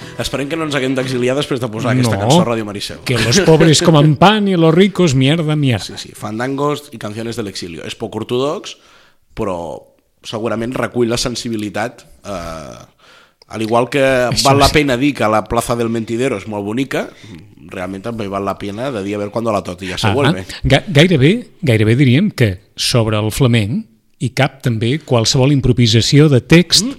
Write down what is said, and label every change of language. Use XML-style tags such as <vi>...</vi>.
<ca>Esperem que no ens haguem d'exiliar després de posar aquesta cançó a Ràdio Maricel.</ca> <es>Que los pobres coman pan y los ricos mierda, mierda. Sí, sí, fandangos y canciones del exilio.</es> <ca>És poc ortodox, però segurament recull la sensibilitat. Al igual que val la pena dir que la plaça del Mentidero és molt bonica, realment també val la pena de dir a veure quan</ca> <es>la tortilla se vuelve.</es> <ca>Gairebé diríem que sobre el flamenc hi cap també qualsevol improvisació de text.</ca>